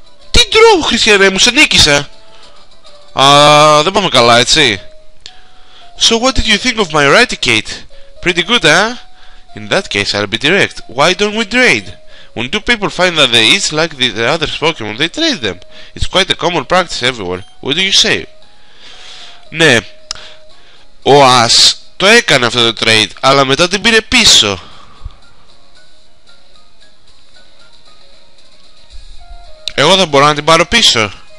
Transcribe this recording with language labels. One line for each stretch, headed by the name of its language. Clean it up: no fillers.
Greek: Τι draw, Χριστιανέ μου, σε νίκησα. Δεν πάμε καλά έτσι.
English: So what did you think of my Radicate? Pretty good, huh? In that case, I'll be direct. Why don't we trade? When two people find that they each like the other's Pokémon, they trade them. It's quite a common practice everywhere. What do you say?
Greek: Ναι, ο Ας το έκανε αυτό το trade, αλλά μετά την πήρε πίσω. Εγώ δεν μπορώ να την πάρω πίσω.